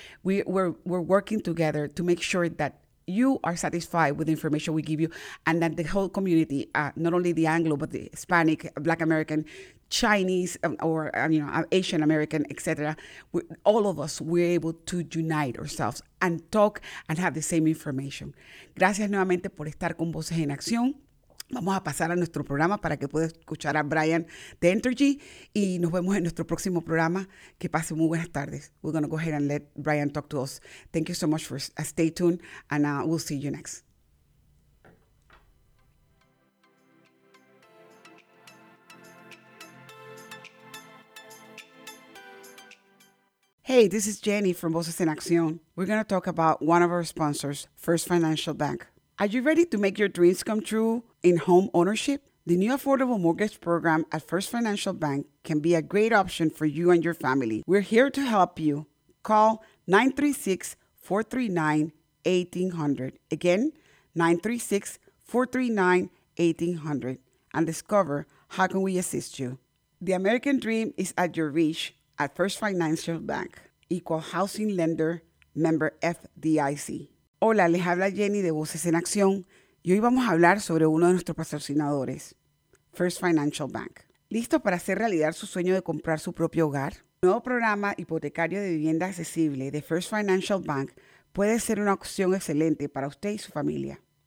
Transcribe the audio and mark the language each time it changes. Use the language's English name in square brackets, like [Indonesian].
[English] We're working together to make sure that you are satisfied with the information we give you and that the whole community, not only the Anglo, but the Hispanic, Black American, Chinese, Asian American, etc., all of us, we're able to unite ourselves and talk and have the same information. [Spanish] Gracias nuevamente por estar con Voces en Acción. Vamos a pasar a nuestro programa para que pueda escuchar a Brian de Entergy y nos vemos en nuestro próximo programa. Que pase muy buenas tardes. [English] We're going to go ahead and let Brian talk to us. Thank you so much for stay tuned and we'll see you next. Hey, Hey, this is Jenny from Voces en Acción. We're going to talk about one of our sponsors, First Financial Bank. Are you ready to make your dreams come true in home ownership? The new affordable mortgage program at First Financial Bank can be a great option for you and your family. We're here to help you. Call 936-439-1800. Again, 936-439-1800. And discover how can we assist you. The American dream is at your reach at First Financial Bank. Equal Housing Lender, member FDIC. [Spanish] Hola, les habla Jenny de Voces en Acción. Y hoy vamos a hablar sobre uno de nuestros patrocinadores, First Financial Bank. ¿Listo para hacer realidad su sueño de comprar su propio hogar? El nuevo programa hipotecario de vivienda accesible de First Financial Bank puede ser una opción excelente para usted y su familia.